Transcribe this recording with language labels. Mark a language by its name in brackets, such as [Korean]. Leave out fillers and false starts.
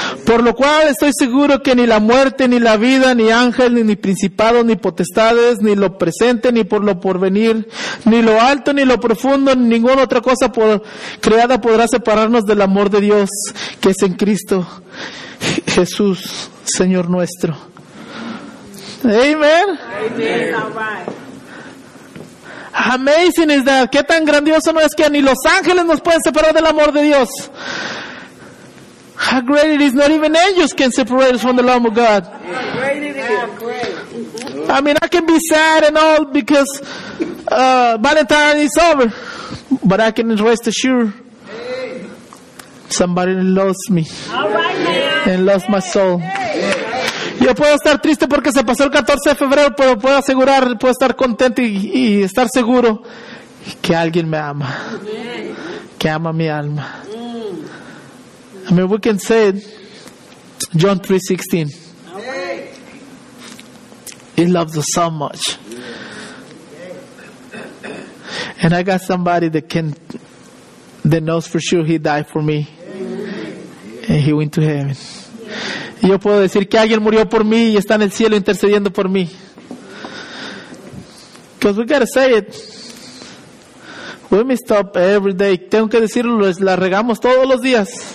[Spanish] Por lo cual estoy seguro que ni la muerte, ni la vida, ni ángel, ni principado, ni potestades, ni lo presente, ni por lo porvenir, ni lo alto, ni lo profundo, ni ninguna otra cosa creada podrá separarnos del amor de Dios que es en Cristo Jesús, Señor nuestro. Amen. Amen. [English] Amazing is that. [Spanish] Qué tan grandioso no es que ni los ángeles nos pueden separar del amor de Dios. [English] How great it is. Not even angels can separate us from the love of God. How great it is. I mean, I can be sad and all because Valentine is over. But I can rest assured somebody loves me. And loves my soul. [Spanish] Yo puedo estar triste porque se pasó el 14 de febrero, pero puedo asegurar, puedo estar contento y estar seguro que alguien me ama. Amen. Que ama mi alma. [English] I mean, we can say it, John 3:16. Okay. He loves us so much. And I got somebody that can, that knows for sure he died for me. And he went to heaven. [Spanish] Y yo puedo decir que alguien murió por mí y está en el cielo intercediendo por mí. [English] Because we gotta say it. We messed up every day. [Spanish] Tengo que decirlo, la regamos todos los días.